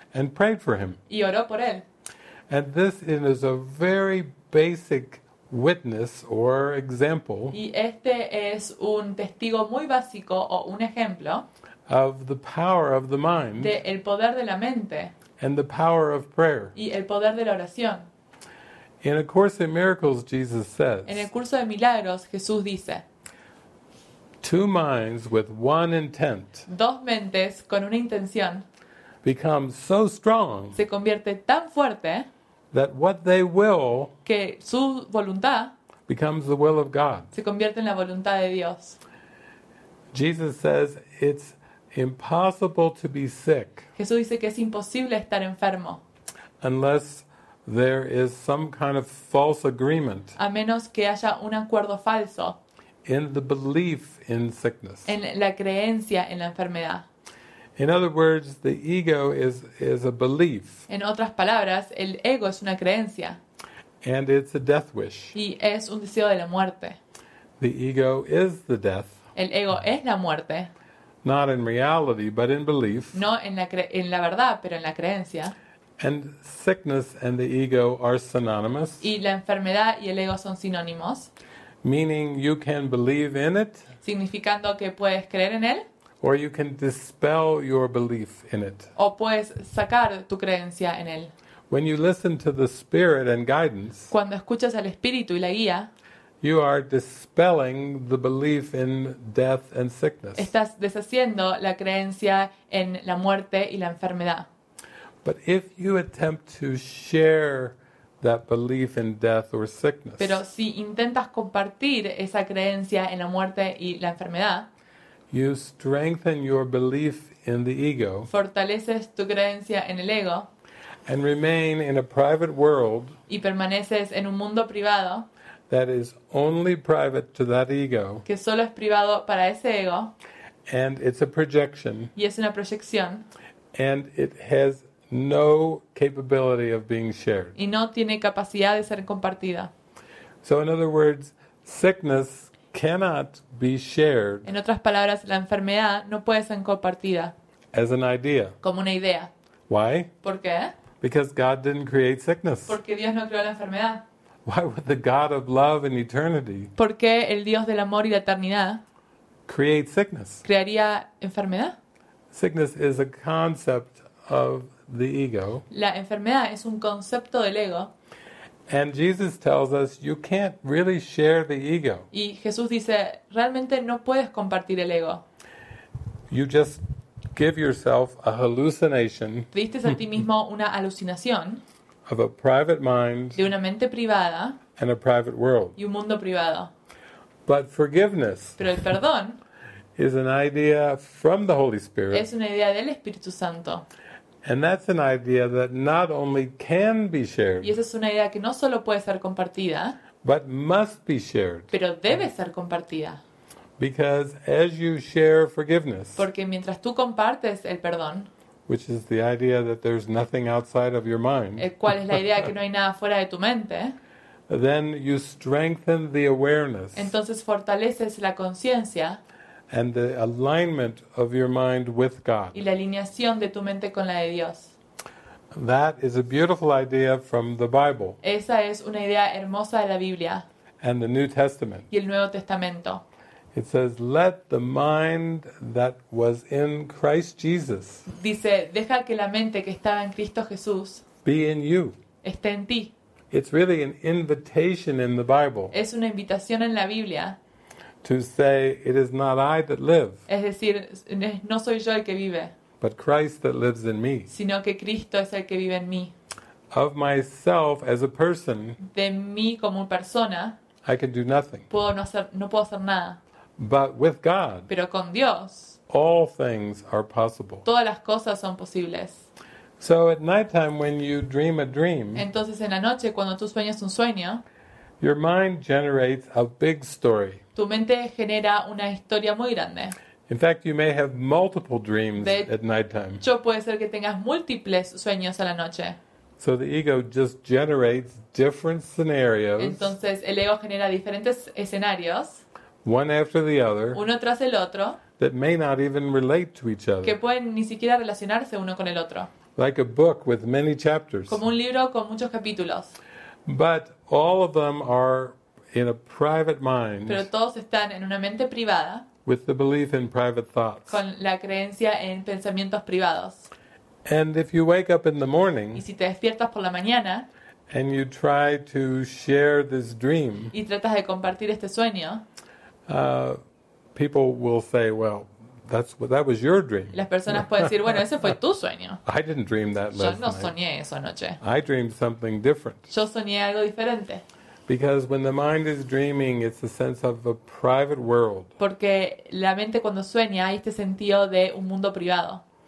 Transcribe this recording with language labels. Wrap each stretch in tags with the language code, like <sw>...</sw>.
<en>And prayed for him.</en> <es>Y oró por él.</es> <en>And this is a very basic witness or example.</en> <es>Y este es un testigo muy básico o un ejemplo.</es> <en>Of the power of the mind.</en> <es>De el poder de la mente.</es> <en>And the power of prayer.</en> <es>Y el poder de la oración.</es> <en>In A Course in Miracles, Jesus says.</en> <es>En el curso de milagros, Jesús dice.</es> <en>Two minds with one intent.</en> <es>Dos mentes con una intención.</es> <en>Become so strong.</en> <es>Se convierte tan fuerte.</es> <en>That what they will.</en> <es>Que su voluntad.</es> <en>Becomes the will of God.</en> <es>Se convierte en la voluntad de Dios.</es> <en>Jesus says it's impossible to be sick.</en> <es>Jesús dice que es imposible estar enfermo.</es> <en>Unless there is some kind of false agreement.</en> <es>A menos que haya un acuerdo falso.</es> <en>In the belief in sickness.</en> <es>En la creencia en la enfermedad.</es> <en>In other words, the ego is a belief.</en> <es>En otras palabras, el ego es una creencia.</es> <en>And it's a death wish.</en> <es>Y es un deseo de la muerte.</es> <en>The ego is the death.</en> <es>El ego es la muerte.</es> <en>Not in reality, but in belief.</en> <es>No en la verdad, pero en la creencia.</es> <en>And sickness and the ego are synonymous.</en> <es>Y la enfermedad y el ego son sinónimos.</es> <en>Meaning you can believe in it.</en> <es>Significando que puedes creer en él.</es> <en>Or you can dispel your belief in it.</en> <es>O puedes sacar tu creencia en él.</es> <en>When you listen to the Spirit and guidance,</en> <es>cuando escuchas al Espíritu y la guía,</es> <en>you are dispelling the belief in death and sickness.</en> <es>Estás deshaciendo la creencia en la muerte y la enfermedad.</es> <en>But if you attempt to share that belief in death or sickness,</en> <es>pero si intentas compartir esa creencia en la muerte y la enfermedad,</es> <en>you strengthen your belief in the ego.</en> <es>Fortaleces tu creencia en el ego.</es> <en>And remain in a private world.</en> <es>Y permaneces en un mundo privado.</es> <en>That is only private to that ego.</en> <es>Que solo es privado para ese ego.</es> <en>And it's a projection.</en> <es>Y es una proyección.</es> <en>And it has no capability of being shared.</en> <es>Y no tiene capacidad de ser compartida.</es> <en>So in other words, sickness cannot be shared.</en> <es>En otras palabras, la enfermedad no puede ser compartida.</es> <en>As an idea.</en> <es>Como una idea.</es> <en>Why?</en> <es>¿Por qué?</es> <en>Because God didn't create sickness.</en> <es>Porque Dios no creó la enfermedad.</es> <en>Why would the God of love and eternity?</en> <es>¿Por qué el Dios del amor y la eternidad?</es> <en>Create sickness.</en> <es>¿Crearía enfermedad?</es> <en>Sickness is a concept of the ego.</en> <es>La enfermedad es un concepto del ego.</es> <en>And Jesus tells us you can't really share the ego.</en> <es>Y Jesús dice, realmente no puedes compartir el ego.</es> <en>You just give yourself a hallucination.</en> <es>Te diste a ti mismo una alucinación.</es> <en>Of a private mind.</en> <es>De una mente privada.</es> <en>And a private world.</en> <es>Y un mundo privado.</es> <en>But forgiveness.</en> <es>Pero el perdón.</es> <en>Is an idea from the Holy Spirit.</en> <es>Es una idea del Espíritu Santo.</es> <en>And that's an idea that not only can be shared.</en> <es>Y esa es una idea que no solo puede ser compartida.</es> <en>But must be shared.</en> <es>Pero debe ser compartida.</es> <en>Because as you share forgiveness.</en> <es>Porque mientras tú compartes el perdón.</es> <en>Which is the idea that there's nothing outside of your mind.</en> <es>¿Cuál es la idea que no hay nada fuera de tu mente?</es> <en>Then you strengthen the awareness.</en> <es>Entonces fortaleces la conciencia.</es> <en>And the alignment of your mind with God.</en> <es>Y la alineación de tu mente con la de Dios.</es> <en>That is a beautiful idea from the Bible.</en> <es>Esa es una idea hermosa de la Biblia.</es> <en>And the New Testament.</en> <es>Y el Nuevo Testamento.</es> <en>It says, "Let the mind that was in Christ Jesus."</en> <es>Dice, deja que la mente que estaba en Cristo Jesús</es> <en>be in you.</en> <es>Esté en ti.</es> <en>It's really an invitation in the Bible.</en> <es>Es una invitación en la Biblia.</es> <en>To say, "It is not I that live."</en> <es>Es decir, no soy yo el que vive.</es> <en>But Christ that lives in me.</en> <es>Sino que Cristo es el que vive en mí.</es> <en>Of myself as a person.</en> <es>De mí como persona.</es> <en>I can do nothing.</en> <es>No puedo hacer nada.</es> <en>But with God,</en> <es>pero con Dios,</es> <en>all things are possible.</en> <es>Todas las cosas son posibles.</es> <en>So at nighttime, when you dream a dream,</en> <es>entonces en la noche cuando tú sueñas un sueño,</es> <en>your mind generates a big story.</en> <es>Tu mente genera una historia muy grande.</es> <en>In fact, you may have multiple dreams at nighttime.</en> <es>Yo puede ser que tengas múltiples sueños a la noche.</es> <en>So the ego just generates different scenarios.</en> <es>Entonces el ego genera diferentes escenarios.</es> <en>One after the other,</en> <es>uno tras el otro,</es> <en>that may not even relate to each other,</en> <es>que pueden ni siquiera relacionarse uno con el otro,</es> <en>like a book with many chapters,</en> <es>como un libro con muchos capítulos,</es> <en>but all of them are in a private mind,</en> <es>pero todos están en una mente privada,</es> <en>with the belief in private thoughts,</en> <es>con la creencia en pensamientos privados,</es> <en>and if you wake up in the morning,</en> <es>y si te despiertas por la mañana,</es> <en>and you try to share this dream,</en> <es>y tratas de compartir este sueño.</es> <en>People will say, "Well, that was your dream."</en> <es>Las personas pueden decir, "Bueno, ese fue tu sueño."</es> <en>I didn't dream that last night.</en> <es>Yo no soñé eso anoche.</es> <en>I dreamed something different.</en> <es>Yo soñé algo diferente.</es> <en>Because when the mind is dreaming, it's a sense of a private world.</en> <es>Porque la mente cuando sueña hay este sentido de un mundo privado.</es>